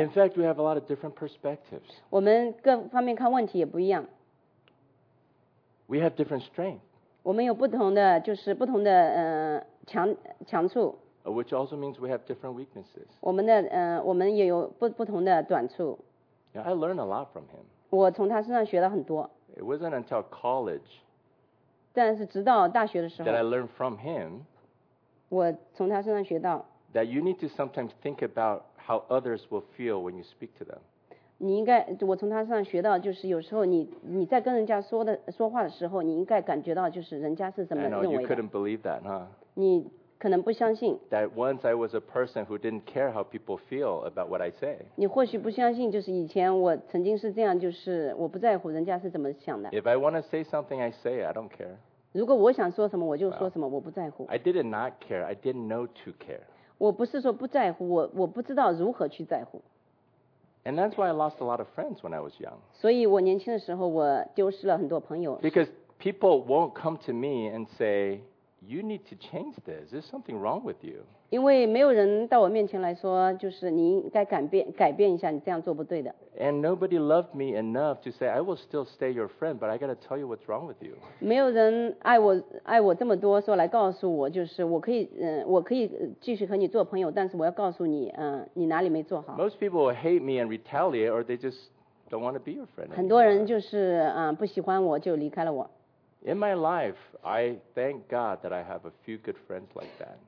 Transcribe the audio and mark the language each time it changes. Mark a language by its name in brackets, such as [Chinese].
[English] In fact, we have a lot of different perspectives. [Chinese] 我们各方面看问题也不一样。 [English] We have different strength. [Chinese] 我们有不同的，就是不同的强处。 [English] Which also means we have different weaknesses. [Chinese] 我们也有不同的短处。 [English] Yeah, I learned a lot from him. [Chinese] 我从他身上学了很多。 [English] It wasn't until college. [Chinese] 但是直到大学的时候。 [English] That I learned from him. [Chinese] 我从他身上学到。 [English] That you need to sometimes think about how others will feel when you speak to them. [Chinese] 你应该，我从他身上学到，就是有时候你在跟人家说话的时候，你应该感觉到就是人家是怎么认为的。 [English] I know you couldn't believe that, huh? [Chinese] 你可能不相信。 [English] That once I was a person who didn't care how people feel about what I say. [Chinese] 你或许不相信，就是以前我曾经是这样，就是我不在乎人家是怎么想的。 [English] If I want to say something, I say it. I don't care. [Chinese] 如果我想说什么，我就说什么，我不在乎。 [English] I didn't not care. I didn't know to care. [Chinese] 我不是说不在乎，我不知道如何去在乎。 [English] And that's why I lost a lot of friends when I was young. [Chinese] 所以我年轻的时候，我丢失了很多朋友。 [English] Because people won't come to me and say,You need to change this. There's something wrong with you. [Chinese] 因为没有人到我面前来说，就是你应该改变一下，你这样做不对的。 [English] And nobody loved me enough to say I will still stay your friend, but I got to tell you what's wrong with you. [Chinese] 没有人爱我这么多，说来告诉我，就是我可以继续和你做朋友，但是我要告诉你，你哪里没做好。 [English] Most people will hate me and retaliate, or they just don't want to be your friend. [Chinese] 很多人就是不喜欢我就离开了我。 [English] In my life, I thank God that I have a few good friends like that.